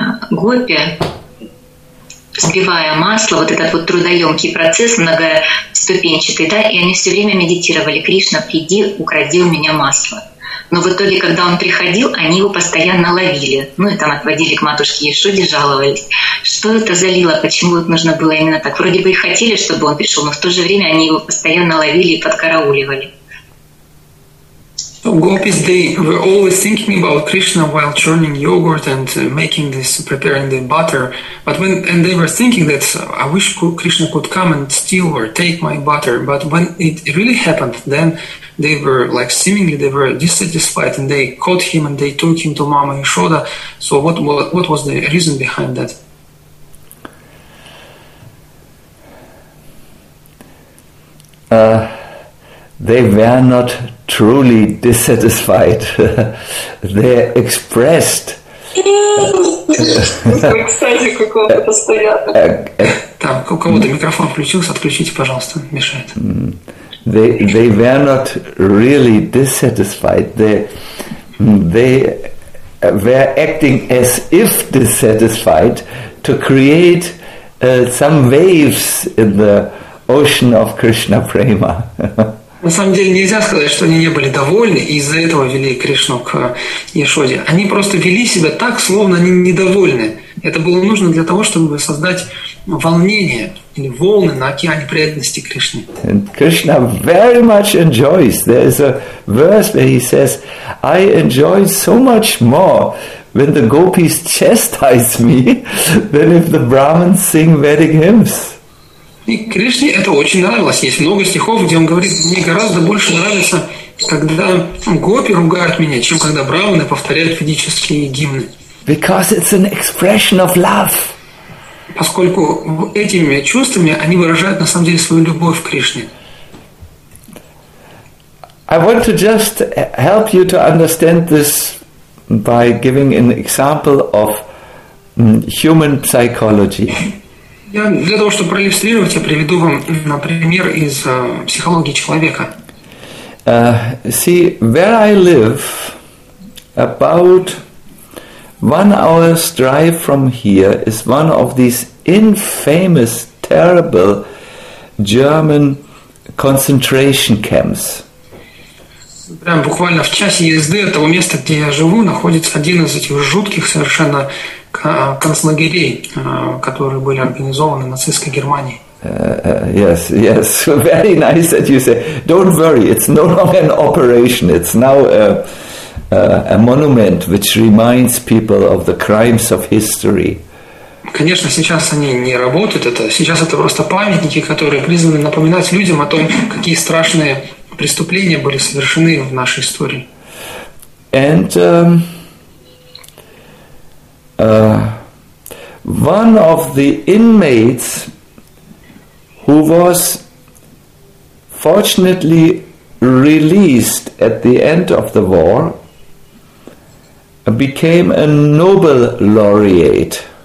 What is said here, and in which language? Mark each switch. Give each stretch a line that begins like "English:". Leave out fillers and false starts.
Russian: Гопи, взбивая масло, вот этот вот трудоемкий процесс, многоступенчатый, да, и они все время медитировали: «Кришна, приди, укради у меня масло». Но в итоге, когда он приходил, они его постоянно ловили. Ну, и там отводили к матушке Яшоде, жаловались. Что это за лила? Почему это нужно было именно так? Вроде бы и хотели, чтобы он пришел, но в то же время они его постоянно ловили и подкарауливали.
English: So, gopis, they were always thinking about Krishna while churning yogurt and making this, preparing the butter. But when, and they were thinking that, I wish Krishna could come and steal or take my butter. But when it really happened, then they were, like, seemingly they were dissatisfied and they caught him and they took him to Mama Yashoda. So what was the reason behind that? They were not truly dissatisfied. They expressed they were not really dissatisfied. They were acting as if dissatisfied to create some waves in the ocean of Krishna Prema.
Russian: На самом деле нельзя сказать, что они не были довольны и из-за этого вели Кришну к Яшоде. Они просто вели себя так, словно они недовольны. Это было нужно для того, чтобы создать волнение или волны на океане преданности Кришне.
English: And Krishna very much enjoys. There is a verse where he says, I enjoy so much more when the gopis chastise me than if the Brahmins sing Vedic hymns.
Russian: И Кришне это очень нравилось. Есть много стихов, где он говорит, мне гораздо больше нравится, когда гопи ругают меня, чем когда брахманы повторяют ведические гимны.
English: Because it's an expression of love.
Russian: Поскольку этими чувствами они выражают на самом деле свою любовь к Кришне.
English: I want to just help you to understand this by giving an example of human psychology.
Russian: Я для того, чтобы проиллюстрировать, я приведу вам, например, из психологии человека.
English: See, where I live, about 1 hour's drive from here, is one of these infamous, terrible German concentration camps.
Russian: Прям буквально в часе езды от того места, где я живу, находится один из этих жутких совершенно концлагерей, которые были организованы нацистской Германией.
English: Yes, yes, very nice that you say. Don't worry, it's no longer an operation. It's now a monument which reminds people of the crimes of history.
Russian: Конечно, сейчас они не работают. Это сейчас это просто памятники, которые призваны напоминать людям о том, какие страшные преступления были совершены в нашей истории.
English: And one of the inmates who was fortunately released at the end of the war became a Nobel laureate.